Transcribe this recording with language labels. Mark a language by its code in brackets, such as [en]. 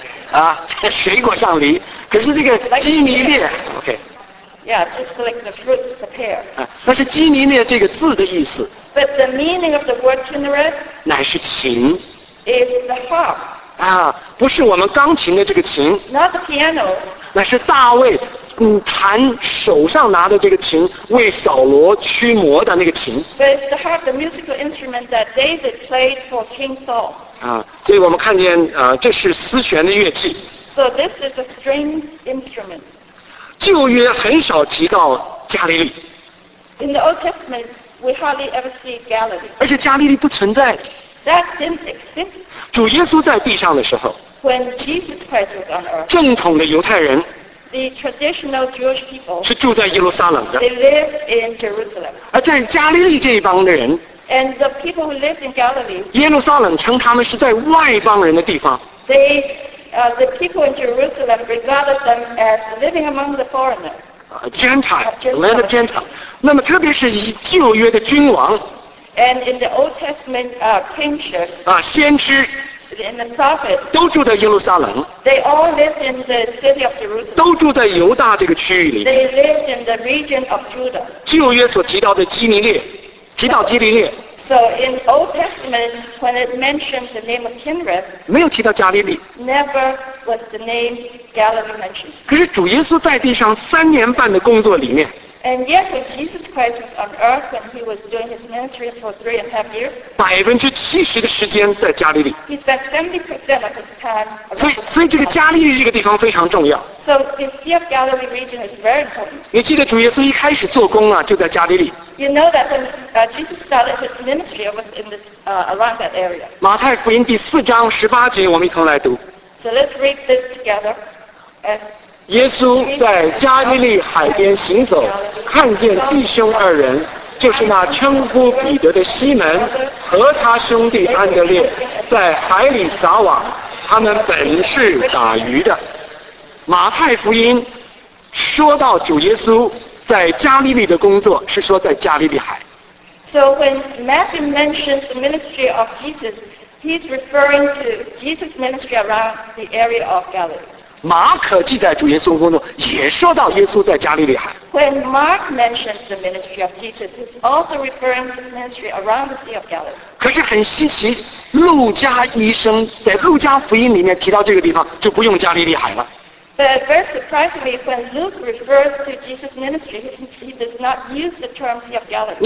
[zh] 啊，水果像梨，可是这个基尼列 ，OK。 [en] Yeah, just like the fruit, the pear. [zh] 啊，那是基尼列这个字的意思。 [en] But the meaning of the word Kinneret [zh] 乃是琴。 [en] Is the harp. [zh] 啊，不是我们钢琴的这个琴 [en] ，Not the piano， [zh] 那是大卫，弹手上拿的这个琴，为扫罗驱魔的那个琴。 [en] But the harp, the musical instrument that David played for King Saul. [zh] 啊，所以我们看见，这是丝弦的乐器。 [en] So this is a string instrument. [zh] 旧约很少提到加利利。 [en] In the Old Testament, we hardly ever see Galilee. [zh] 而且加利利不存在。 [en] That didn't exist. [zh] 主耶稣在地上的时候 [en] When Jesus Christ was on earth, [zh] 正统的犹太人 [en] the traditional Jewish people, [zh] 是住在耶路撒冷的 [en] they lived in Jerusalem. [zh] 而在加利利这一帮的人 [en] And the people who lived in Galilee, [zh] 耶路撒冷称他们是在外邦人的地方。 [en] They, the people in Jerusalem regarded them as living among the foreigners. Gentile, land of Gentile. [zh] 那么特别是以旧约的君王。 [en] And in the Old Testament, kingship. [zh] 先知。 [en] And the prophets. [zh] 都住在耶路撒冷。 [en] They all lived in the city of Jerusalem. [zh] 都住在犹大这个区域里。 [en] They lived in the region of Judah. [zh] 旧约所提到的基尼列。提到基利列 [en] So in Old Testament, when it mentions the name of Kinneret, [zh] 没有提到加利利 [en] Never was the name Galilee mentioned. [zh] 可是主耶稣在地上三年半的工作里面 [en] And yet when Jesus Christ was on earth when he was doing his ministry for 3.5 years, [zh] 70%的时间在加利利 [en] He spent 70% of his time. [zh] 所以这个加利利这个地方非常重要 [en] So the Sea of Galilee region is very important. [zh] 你记得主耶稣一开始做工啊，就在加利利 [en] You know that when Jesus started his ministry, it was in this, around that area. [zh] 马太福音第四章十八节，我们一同来读。 [en] So let's read this together. As [zh] 耶稣在加利利海边行走，看见弟兄二人，就是那称呼彼得的西门和他兄弟安德烈，在海里撒网，他们本是打鱼的。马太福音说到主耶稣。在加利利的工作是说在加利利海。 [en] So when Matthew mentions the ministry of Jesus, he's referring to Jesus' ministry around the area of Galilee. [zh] 马可记载主耶稣工作也说到耶稣在加利利海。 [en] When Mark mentions the ministry of Jesus, he's also referring to his ministry around the Sea of Galilee. [zh] 可是很稀奇，路加医生在路加福音里面提到这个地方就不用加利利海了。 [en] But very surprisingly, when Luke refers to Jesus' ministry, he does not use the term Sea of Galilee.